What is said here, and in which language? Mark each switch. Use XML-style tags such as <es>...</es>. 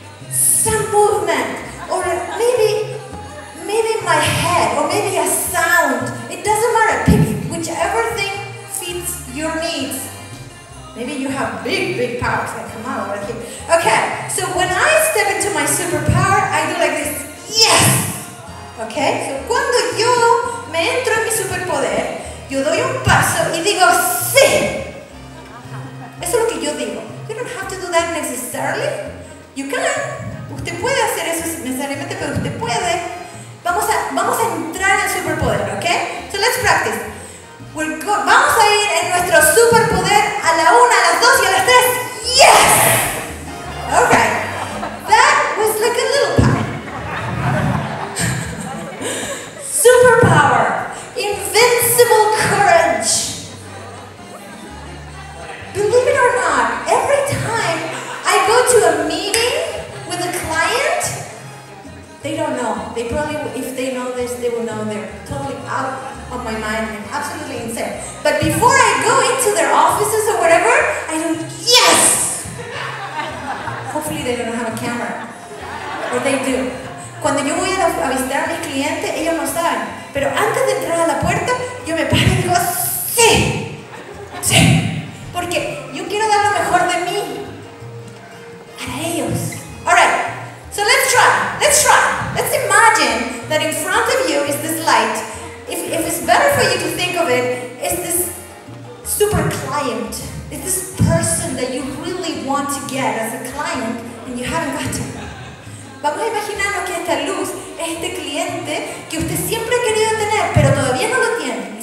<en>Some movement. Or maybe my head, or maybe a sound. It doesn't matter. Pick whichever thing fits your needs. Maybe you have big, big powers that come out with you. Okay, so when I step into my superpower, I do like this. Yes! Okay, so</en> <es>cuando yo me entro en mi superpoder, yo doy un paso y digo sí. Eso es lo que yo digo.</es> <en>You don't have to do that necessarily. You can.</en> <es>Usted puede hacer eso necesariamente, pero usted puede. Vamos a entrar en superpoder,</es> <en>okay? So let's practice.</en> <es>Vamos a ir en nuestro superpoder a la una, a las dos y a las tres.</es> <en>Yes! Okay. That was like a little power. Superpower. Invincible courage. Believe it or not, every time I go to a meeting with a client, they don't know. They probably, if they know this, they will know they're totally out of my mind and absolutely insane. But before I go into their offices or whatever, I do, yes! Hopefully they don't have a camera. Or they do.</en> <es>Cuando yo voy a visitar a mi cliente, ellos no saben. Pero antes de entrar a la puerta, yo me paro y digo, sí, sí. Porque yo quiero dar lo mejor de mí para ellos.</es> <en>All right, so let's try, let's try. Let's imagine that in front of you is this light. If it's better for you to think of it, it's this super client. It's this person that you really want to get as a client and you haven't gotten.</en> <es>Vamos a imaginarnos que esta luz es este cliente que usted siempre ha querido tener, pero todavía no lo tiene.</es>